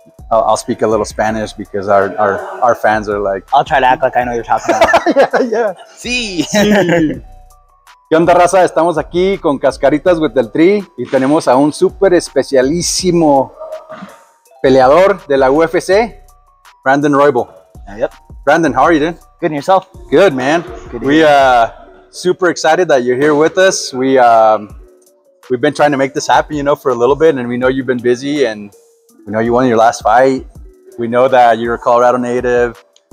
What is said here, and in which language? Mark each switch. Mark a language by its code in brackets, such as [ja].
[en] I'll speak a little Spanish because our fans are like. I'll try to act like I know you're talking about. Yeah. [es] Sí. Sí. ¿Qué onda, raza? Estamos aquí con Cascaritas with el Tri y tenemos a un super especialísimo peleador de la UFC, Brandon Royval. [en] Yep. Brandon, how are you doing? Good, and yourself? Good, man. Good. We are super excited that you're here with us. We've been trying to make this happen, you know, for a little bit, and we know you've been busy and. We know you won your last fight. We know that you're a Colorado native.